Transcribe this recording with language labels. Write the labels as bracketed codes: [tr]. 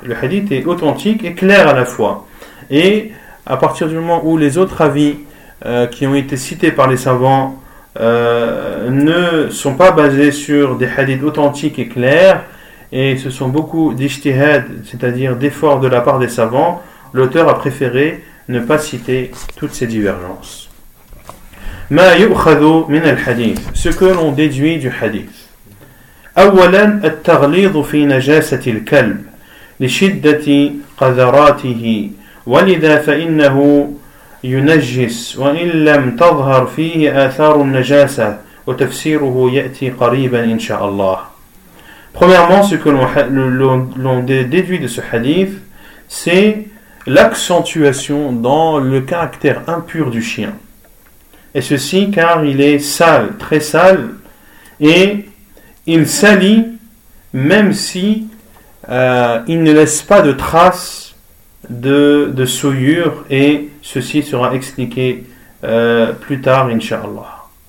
[fr] Le hadith est authentique et clair à la fois. Et à partir du moment où les autres avis qui ont été cités par les savants ne sont pas basés sur des hadiths authentiques et clairs, et ce sont beaucoup d'ijtihad, c'est-à-dire d'efforts de la part des savants, l'auteur a préféré ne pas citer toutes ces divergences. [ar] ما يؤخذ من الحديث, [fr] ce que l'on déduit du hadith. [ar] أولا التغليظ في نجاسة الكلب لشدة قذراته ولذا فإنه ينجس وإن لم تظهر فيه آثار النجاسة وتفسيره يأتي قريبا إن شاء الله. [fr] Premièrement, ce que l'on déduit de ce hadith, c'est l'accentuation dans le caractère impur du chien. Et ceci car il est sale, très sale, et il salit même si il ne laisse pas de traces de souillure, et ceci sera expliqué plus tard, inshallah.